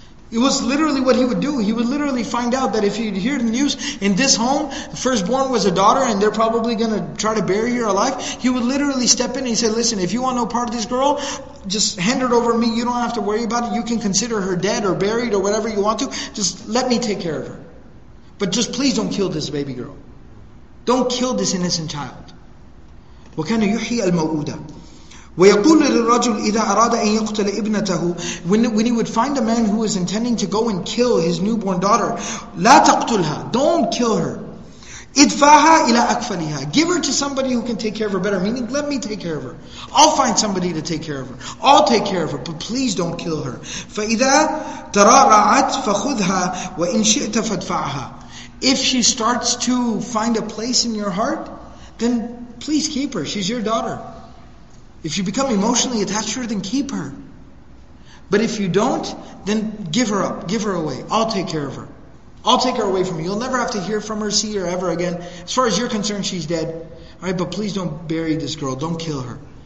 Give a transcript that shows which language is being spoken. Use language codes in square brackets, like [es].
[en] It was literally what he would do. He would literally find out that if he'd hear the news in this home, the firstborn was a daughter and they're probably going to try to bury her alive, he would literally step in and he said, listen, if you want no part of this girl, just hand her over to me. You don't have to worry about it. You can consider her dead or buried or whatever you want to. Just let me take care of her. But just please don't kill this baby girl. Don't kill this innocent child. [ar] وَكَانَ يُحِيَ الْمَوْءُودَ. ويقول للرجل إذا أراد أن يقتل ابنته. [en] When he would find a man who is intending to go and kill his newborn daughter, [ar] لا تقتلها. [en] Don't kill her. [ar] ادفعها إلى أكفلها. [en] Give her to somebody who can take care of her better. Meaning, let me take care of her. I'll find somebody to take care of her. I'll take care of her. But please don't kill her. [ar] فإذا ترعرعت فخذها وإن شئت فادفعها. [en] If she starts to find a place in your heart, then please keep her. She's your daughter. If you become emotionally attached to her, then keep her. But if you don't, then give her up, give her away. I'll take care of her. I'll take her away from you. You'll never have to hear from her, see her ever again. As far as you're concerned, she's dead. All right, but please don't bury this girl. Don't kill her.